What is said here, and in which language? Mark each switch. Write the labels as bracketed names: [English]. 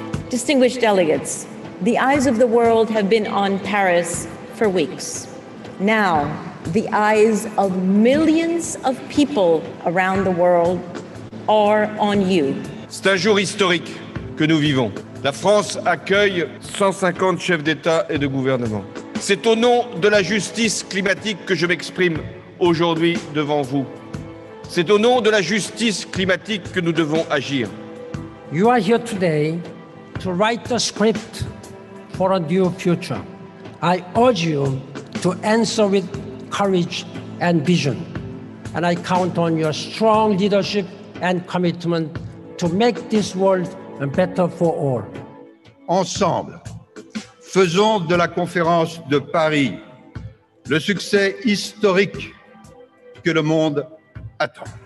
[English] Distinguished delegates, the eyes of the world have been on Paris for weeks. Now, the eyes of millions of people around the world are on you. [French] C'est un jour historique que nous vivons. La France accueille 150 chefs d'État et de gouvernement. C'est au nom de la justice climatique que je m'exprime aujourd'hui devant vous. C'est au nom de la justice climatique que nous devons agir. [English] You are here today to write a script for a new future. I urge you to answer with courage and vision. And I count on your strong leadership and commitment to make this world better for all. [French] Ensemble, faisons de la conférence de Paris le succès historique que le monde attend.